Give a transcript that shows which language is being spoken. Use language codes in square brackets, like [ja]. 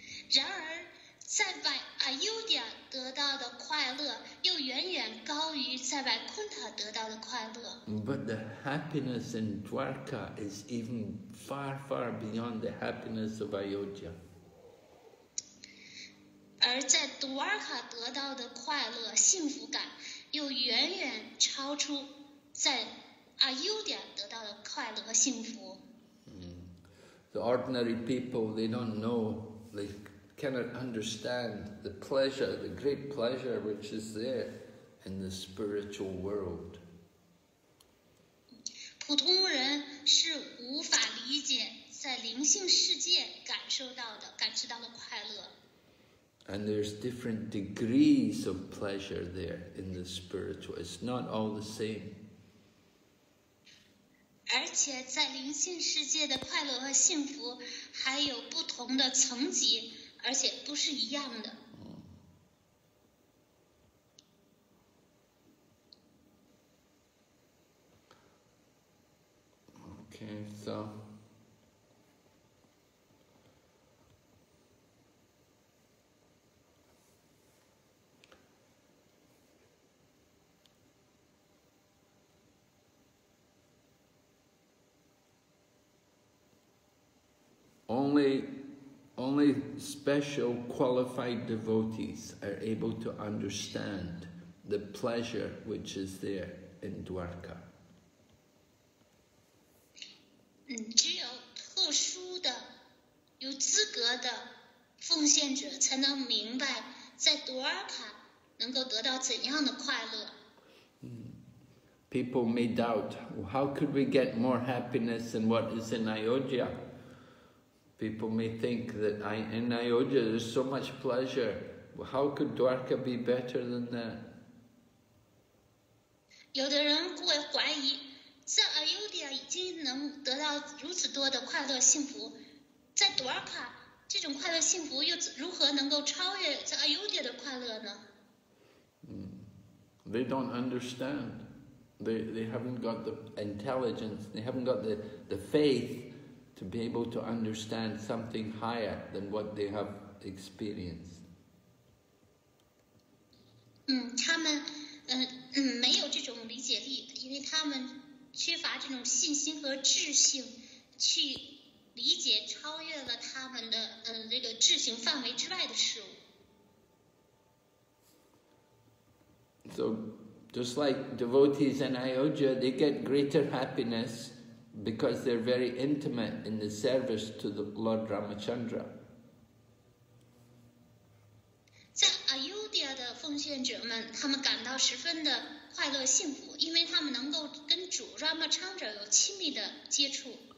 [zh] 然而在 Ayodhya 得到的快乐又远远高于在 Vaikuntha 得到的快乐。 [en] But the happiness in Dwarka is even far, far beyond the happiness of Ayodhya. [zh] 而在杜瓦卡得到的快乐幸福感又远远超出在阿尤迦得到的快乐和幸福。 [en] The ordinary people, they don't know, they cannot understand the pleasure, the great pleasure which is there in the spiritual world. [zh] 普通人是无法理解在灵性世界感受到的、感知到的快乐。 [en] And there's different degrees of pleasure there in the spiritual. It's not all the same. [zh] 而且在灵性世界的快乐和幸福还有不同的层级，而且不是一样的。 [en] Okay, so... Only special qualified devotees are able to understand the pleasure which is there in Dwarka. [zh] 只有特殊的、有资格的奉献者才能明白在 Dwarka 能够得到怎样的快乐。 [en] People may doubt, how could we get more happiness than what is in Ayodhya? People may think that in Ayodhya there's so much pleasure. How could Dwarka be better than that? [zh] 有的人会怀疑，在 Ayodhya 已经能得到如此多的快乐幸福，在 Dwarka 这种快乐幸福又如何能够超越在 Ayodhya 的快乐呢？ [en] They don't understand. They haven't got the intelligence. They haven't got the faith. To be able to understand something higher than what they have experienced. [zh] 他们没有这种理解力，因为他们缺乏这种信心和智性，去理解超越了他们的这个智性范围之外的事物。 [en] So, just like devotees in Ayodhya, they get greater happiness. Because they're very intimate in the service to the Lord Ramachandra. [zh] 在 Ayodhya 的奉献者们，他们感到十分的快乐幸福，因为他们能够跟主 Ramachandra 有亲密的接触。